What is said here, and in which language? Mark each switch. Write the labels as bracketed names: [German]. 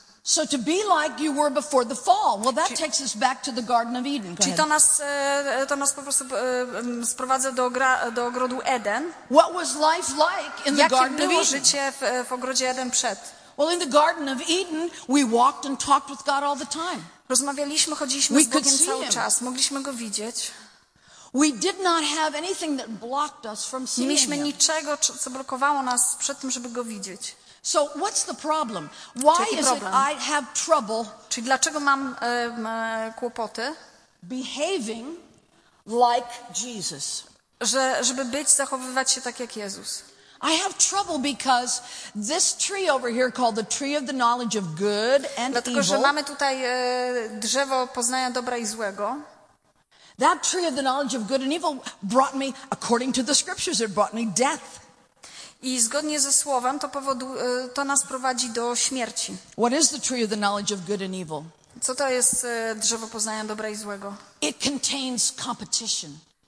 [English] So to be like you were before the fall. Well, that takes us back to the Garden of Eden. [Polish] Czyli to nas po prostu sprowadza do ogrodu Eden. [English] What was life like in the Garden of Eden? [Polish] Jakie było życie w ogrodzie Eden przed? [English] Well, in the Garden of Eden, we walked and talked with God all the time. [Polish] Rozmawialiśmy, chodziliśmy z Bogiem cały czas. Mogliśmy go widzieć. [English] We did not have anything that blocked us from seeing him. [Polish] Nie mieliśmy niczego, co blokowało nas przed tym, żeby go widzieć. [English] So what's the problem? Why is it I have trouble? [Polish] Czyli dlaczego mam kłopoty? [English] Behaving like Jesus. [Polish] Żeby być, zachowywać się tak jak Jezus. [English] I have trouble because this tree over here called the tree of the knowledge of good and [Polish] dlatego, [English] evil. [Polish] Dlatego, że mamy tutaj drzewo poznania dobra i złego. [English] That tree of the knowledge of good and evil brought me, according to the scriptures, it brought me death. [Polish] I zgodnie ze słowem to nas prowadzi do śmierci. [English] What is the tree of the knowledge of good and evil? [Polish] Co to jest drzewo poznania dobra i złego? [English] It contains competition.